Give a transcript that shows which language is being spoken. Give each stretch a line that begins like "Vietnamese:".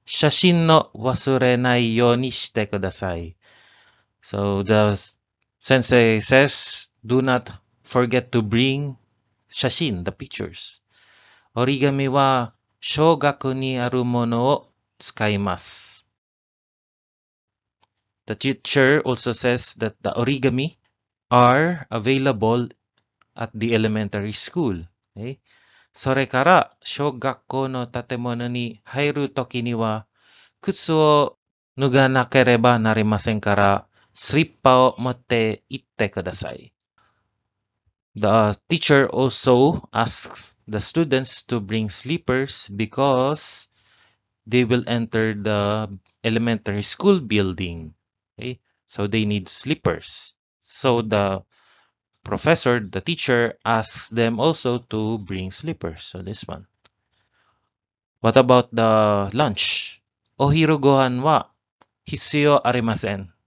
Japanese: 写真を忘れないようにしてください。
English: So, the sensei says, do not forget to bring 写真, the pictures.
Japanese: 折り紙は小学にあるものを使います。
English: The teacher also says that the origami are available at the elementary school. Okay?
Japanese: それから小学校の建物に入るときには靴を脱がなければなりませんからスリッパを持って行ってください。
English: The teacher also asks the students to bring slippers because they will enter the elementary school building. Okay? So they need slippers. So the professor, the teacher, asks them also to bring slippers. So this one. What about the lunch?
Japanese: お昼ご飯は必要ありません.